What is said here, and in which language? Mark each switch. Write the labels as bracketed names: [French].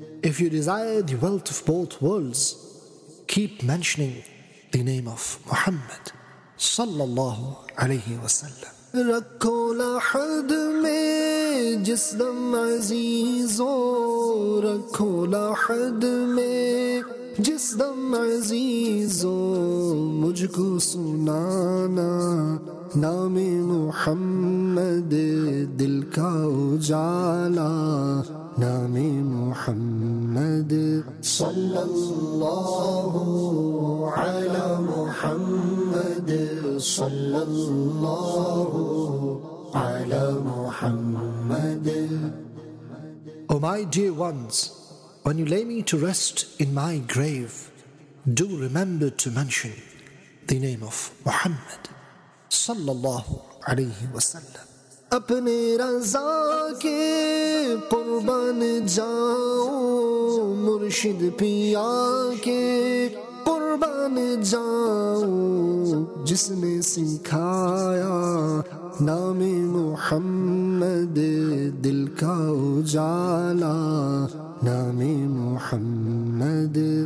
[English] If you desire the wealth of both worlds, keep mentioning the name of Muhammad [Arabic] صلی اللہ علیہ وسلم. [Urdu] رکھو لحد میں جس دم عزیزوں, رکھو لحد میں جس دم عزیزوں, مجھ کو سنانا نام محمد دل کا اجالا نام محمد [Arabic] صلی اللہ علی محمد صلی اللہ علی محمد. [English] O my dear ones, when you lay me to rest in my grave, do remember to mention the name of Muhammad [Arabic] صلی اللہ علیہ وسلم. [Urdu] اپنے رضا کے قربان جاؤں, مرشد پیا کے قربان جاؤں, جس نے سکھایا نام محمد دل کا اجالا نام محمد